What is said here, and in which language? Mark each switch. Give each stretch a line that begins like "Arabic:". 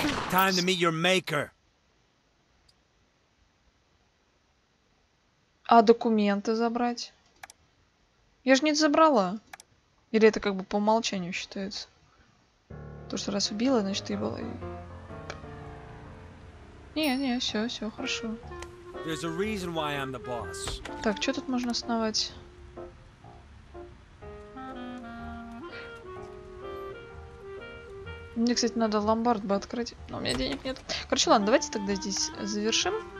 English: Time to meet your maker.
Russian: А документы забрать? Я же не забрала. Или это как бы по умолчанию считается? То, что раз убила, значит ты была. Не, все хорошо.
English: There's a reason why I'm the boss.
Russian: Так, что тут можно основать? Мне, кстати, надо ломбард бы открыть. Но у меня денег нет. Короче, ладно, давайте тогда здесь завершим.